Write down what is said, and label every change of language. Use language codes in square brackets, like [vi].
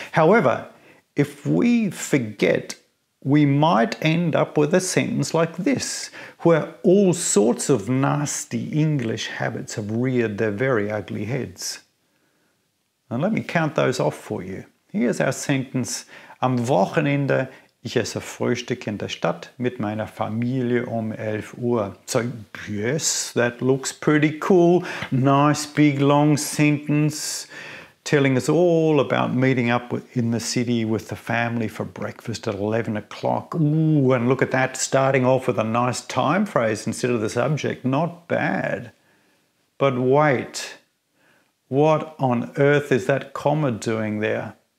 [en] However, if we forget, we might end up with a sentence like this, where all sorts of nasty English habits have reared their very ugly heads. And let me count those off for you. Here's our sentence. [de] Am Wochenende, ich esse Frühstück in der Stadt mit meiner Familie um 11 Uhr. [en] So, yes, that looks pretty cool. Nice, big, long sentence telling us all about meeting up in the city with the family for breakfast at 11 o'clock. Ooh, and look at that, starting off with a nice time phrase instead of the subject. Not bad. But wait, what on earth is that comma doing there?